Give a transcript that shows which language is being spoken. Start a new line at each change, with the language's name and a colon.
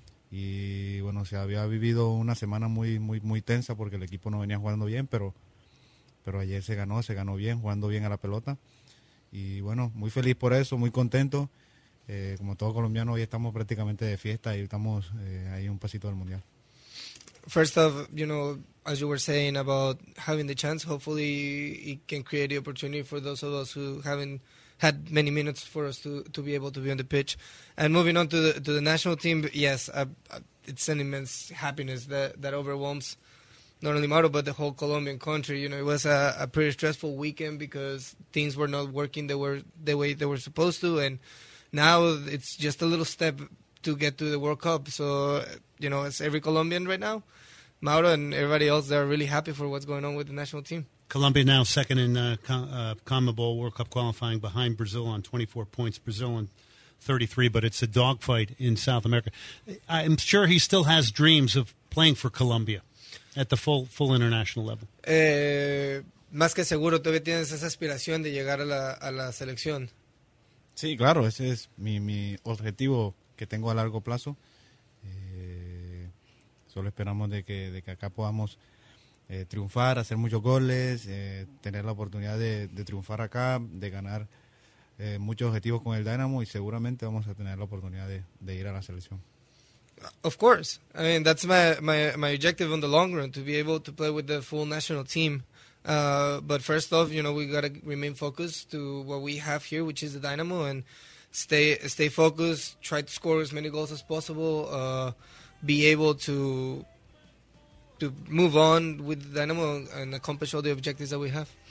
Spanish: Y bueno, se había vivido una semana muy, muy, muy tensa porque el equipo no venía jugando bien, pero ayer se ganó bien, jugando bien a la pelota. Y bueno, muy feliz por eso, muy contento. Como todo colombiano, hoy estamos prácticamente de fiesta y estamos ahí un pasito del Mundial.
English: First off, you know, as you were saying about having the chance, hopefully it can create the opportunity for those of us who haven't had many minutes for us to be able to be on the pitch. And moving on to the national team, yes, it's an immense happiness that overwhelms not only Mauro, but the whole Colombian country. You know, it was a pretty stressful weekend because things were not working the way they were supposed to, and now it's just a little step to get to the World Cup. So, you know, it's every Colombian right now, Mauro and everybody else, they're really happy for what's going on with the national team. Colombia now second in CONMEBOL World Cup qualifying behind Brazil on 24 points, Brazil on 33, but it's a dogfight in South America. I'm sure he still has dreams of playing for Colombia at the full international level.
Spanish: Más que seguro, todavía tienes esa aspiración de llegar a la selección. Sí, claro, ese es mi objetivo que tengo a largo plazo. Solo esperamos de que acá podamos triunfar, hacer muchos goles, tener la oportunidad de triunfar acá, de ganar muchos objetivos con el Dynamo, y seguramente vamos a tener la oportunidad de ir a la selección.
English: Of course. I mean, that's my objective on the long run, to be able to play with the full national team. But first off, you know, we got to remain focused to what we have here, which is the Dynamo, and stay focused, try to score as many goals as possible, be able to move on with the Dynamo and accomplish all the objectives that we have.